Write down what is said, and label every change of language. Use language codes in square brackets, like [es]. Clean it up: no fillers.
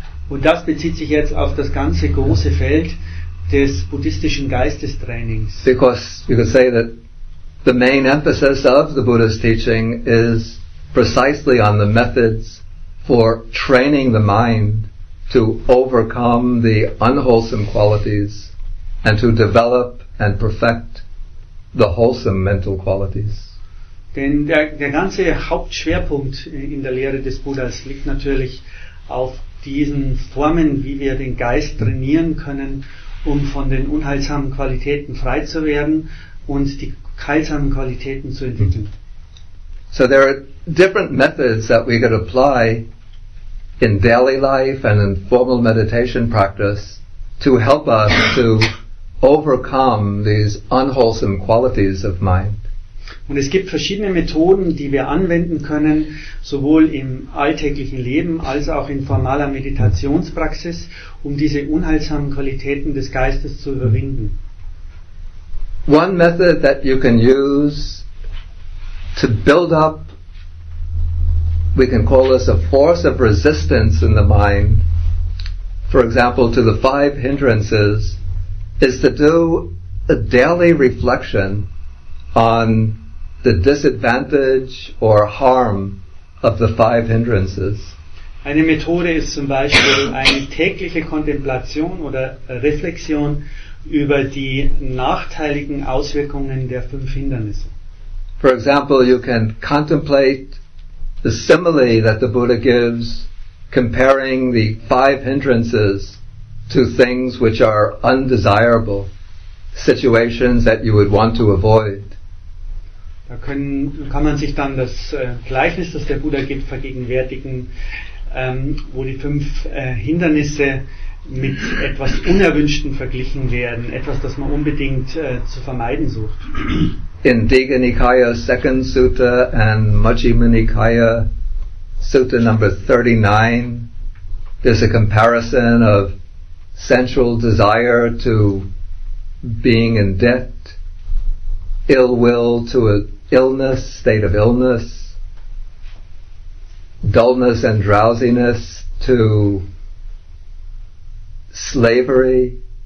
[de] Und das bezieht sich jetzt auf das ganze große Feld des buddhistischen Geistestrainings. [en] Because you could say that the main emphasis of the Buddhist teaching is precisely on the methods for training the mind to overcome the unwholesome qualities and to develop and perfect the wholesome mental qualities. [de] Denn der ganze Hauptschwerpunkt in der Lehre des Buddhas liegt natürlich auf diesen Formen, wie wir den Geist trainieren können, um von den unheilsamen Qualitäten frei zu werden und die heilsamen Qualitäten zu entwickeln. [en] So there are different methods that we could apply in daily life and in formal meditation practice to help us to overcome these unwholesome qualities of mind. [de] Und es gibt verschiedene Methoden, die wir anwenden können, sowohl im alltäglichen Leben als auch in formaler Meditationspraxis, um diese unheilsamen Qualitäten des Geistes zu überwinden. [en] One method that you can use to build up, we can call this a force of resistance in the mind, for example to the five hindrances, is to do a daily reflection on the disadvantage or harm of the five hindrances. [de] Eine Methode ist zum Beispiel eine tägliche Kontemplation oder Reflexion über die nachteiligen Auswirkungen der fünf Hindernisse. [en] For example, you can contemplate the simile that the Buddha gives, comparing the five hindrances to things which are undesirable, situations that you would want to avoid. [de] Da kann man sich dann das Gleichnis, das der Buddha gibt, vergegenwärtigen, wo die fünf Hindernisse mit etwas Unerwünschtem verglichen werden, etwas, das man unbedingt zu vermeiden sucht. [en] In Diga Nikaya's second sutta and Majjhima Nikaya sutta number 39, there's a comparison of sensual desire to being in debt, ill will to an illness, state of illness, dullness and drowsiness to slavery,